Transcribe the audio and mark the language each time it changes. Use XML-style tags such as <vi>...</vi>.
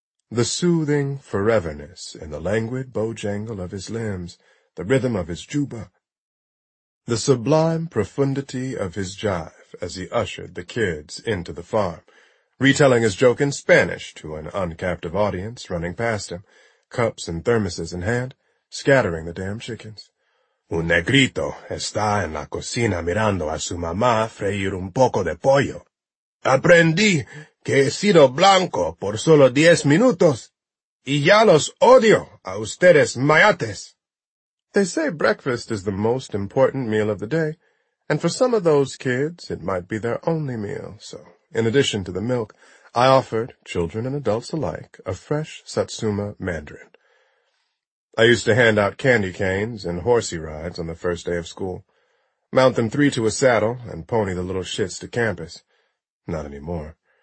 <en>The soothing foreverness in the languid bojangle of his limbs, the rhythm of his juba, the sublime profundity of his jive as he ushered the kids into the farm, retelling his joke in Spanish to an uncaptive audience running past him, cups and thermoses in hand, scattering the damn chickens.</en> <es>"Un negrito está en la cocina mirando a su mamá freír un poco de pollo. Aprendí que he sido blanco por solo 10 minutos, y ya los odio a ustedes mayates."</es> <en>They say breakfast is the most important meal of the day, and for some of those kids, it might be their only meal. So, in addition to the milk, I offered, children and adults alike, a fresh satsuma mandarin. I used to hand out candy canes and horsey rides on the first day of school, mount them 3 to a saddle, and pony the little shits to campus. Not anymore.</en>